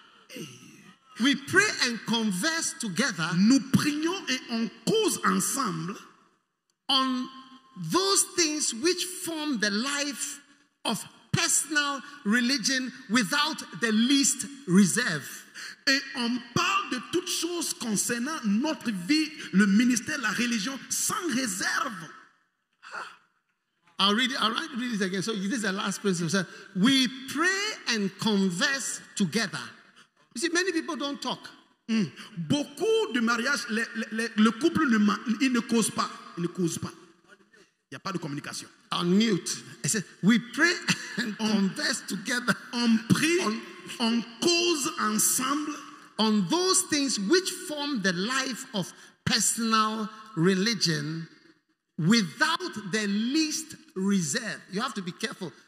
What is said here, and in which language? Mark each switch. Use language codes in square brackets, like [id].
[en] Hey. We pray and converse together. [fr] Nous prions et on cause ensemble [en] on those things which form the life of personal religion without the least reserve. [fr] Et on parle de toutes choses concernant notre vie, le ministère, la religion, sans réserve. [en] I'll read it again. So this is the last principle. So we pray and converse together. You see, many people don't talk. Mm. [fr] Beaucoup de mariages, le couple ne cause pas. Il ne cause pas. Il n'y a pas de communication. [en] On mute. I said, we pray and converse together. [fr] On prie. On cause ensemble [en] on those things which form the life of personal religion without the least reserve. You have to be careful.